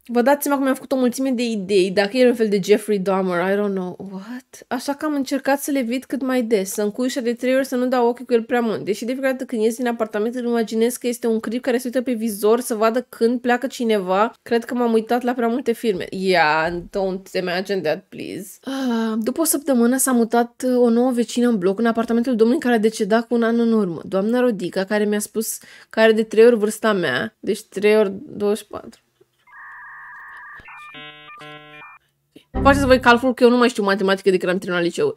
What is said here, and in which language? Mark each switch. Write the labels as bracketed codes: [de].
[ro] Vă dați seama cum mi-am făcut o mulțime de idei, dacă era un fel de Jeffrey Dahmer, [en] I don't know, what? [ro] Așa că am încercat să le vid cât mai des, să încui ușa de 3 ori, să nu dau ochii cu el prea mult. Deși de fiecare dată când ies din apartament, îmi imaginez că este un clip care se uită pe vizor să vadă când pleacă cineva. Cred că m-am uitat la prea multe filme. [en] Yeah, don't imagine that, please. [ro] După o săptămână s-a mutat o nouă vecină în bloc, în apartamentul domnului care a decedat cu un an în urmă. Doamna Rodica, care mi-a spus că are de 3 ori vârsta mea, deci 3 ori 24. Faceți voi calculul că eu nu mai știu matematică de când am terminat liceu.